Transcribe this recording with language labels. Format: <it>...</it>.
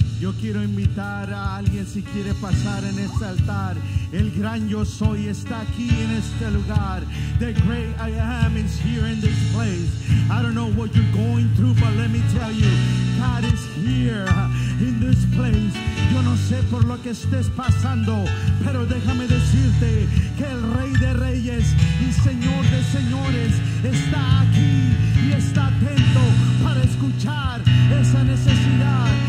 <es>Yo quiero invitar a alguien si quiere pasar en este altar. El gran yo soy está aquí en este lugar.</es> <en>The great I am is here in this place. I don't know what you're going through, but let me tell you, God is here in this place.</en> <es>Yo no sé por lo que estés pasando, pero déjame decirte que el Rey de Reyes y Señor de Señores está aquí y está atento para escuchar esa necesidad.</es>